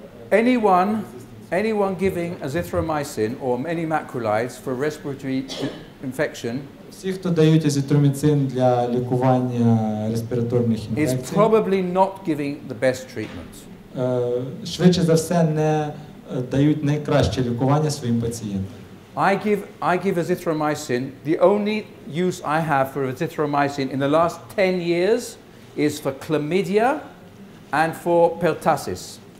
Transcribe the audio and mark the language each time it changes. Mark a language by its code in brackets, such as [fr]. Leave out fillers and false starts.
[en] Anyone giving azithromycin or any macrolides for respiratory infection is probably not giving the best treatment. [uk] Швидше за все не дають найкраще лікування своїм пацієнтам. [en] I give azithromycin. The only use I have for azithromycin in the last 10 years is for chlamydia and for pertussis.